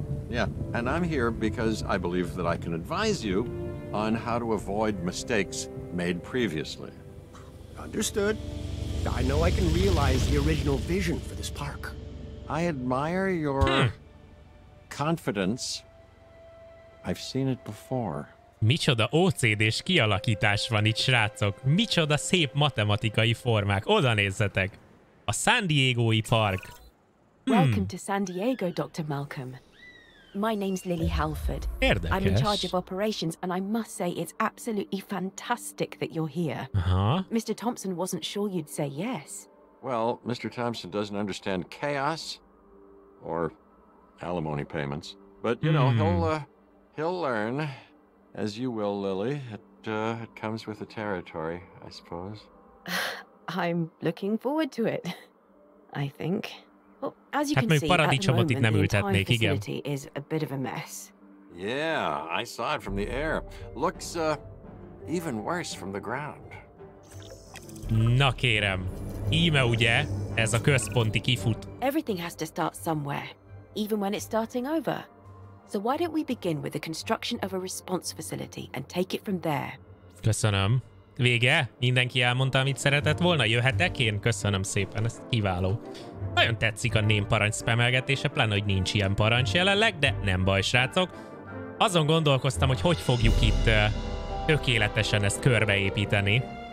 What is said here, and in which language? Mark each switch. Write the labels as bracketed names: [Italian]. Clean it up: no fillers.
[English] Yeah, and I'm here because I believe that I can advise you on how to avoid mistakes made previously. Understood. I know I can realize the original vision for this park. I admire your confidence. I've seen it before. [Hungarian] Micsoda OCD-s kialakítás van itt, srácok! Micsoda szép matematikai formák! Oda nézzetek! A San Diego-i park! [English] Welcome to San Diego, Dr. Malcolm. My name's Lily Halford. [Hungarian] Érdekes. [English] I'm in charge of operations and I must say it's absolutely fantastic that you're here. Aha. Mr. Thompson wasn't sure you'd say yes. Well, Mr. Thompson doesn't understand chaos or alimony payments. But, you know, he'll learn as you will, Lily. It comes with the territory, I suppose. I'm looking forward to it, I think. Well, as you [Hungarian] hát [English] can see, [Hungarian] paradicsomot itt nem ültetnék, igen. [English] Is a bit of a mess. Yeah, I saw it from the air. Looks even worse from the ground. [Hungarian] Na kérem. Íme ugye, ez a központi kifut. [English] Everything has to start somewhere, even when it's starting over. So why don't we begin with the construction of a response facility and take it from there? [Hungarian] Köszönöm. Vége? Mindenki elmondta, amit szeretett volna? Jöhetek én? Köszönöm szépen, ez kiváló. Nagyon tetszik a ném parancs spamelgetése, pláne, hogy nincs ilyen parancs jelenleg, de nem baj, srácok. Azon gondolkoztam, hogy hogy fogjuk itt tökéletesen ezt körbeépíteni.